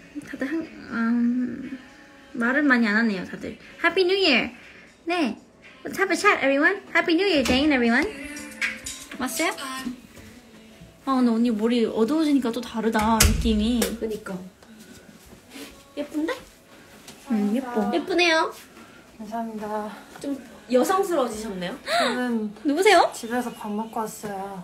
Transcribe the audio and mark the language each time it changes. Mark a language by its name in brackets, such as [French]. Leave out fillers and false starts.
[Korean] 다들 한, 말을 많이 안 하네요, 다들. [English] Happy New Year! [Korean] 네. [English] Let's have a chat, everyone. Happy New Year, Jane, everyone. [Korean] 맞아요? 아, 근데 언니 머리 어두워지니까 또 다르다, 느낌이. 그니까. 예쁜데? 예뻐. 예쁘네요. 감사합니다. 좀 여성스러워지셨네요? 저는. 누구세요? 집에서 밥 먹고 왔어요.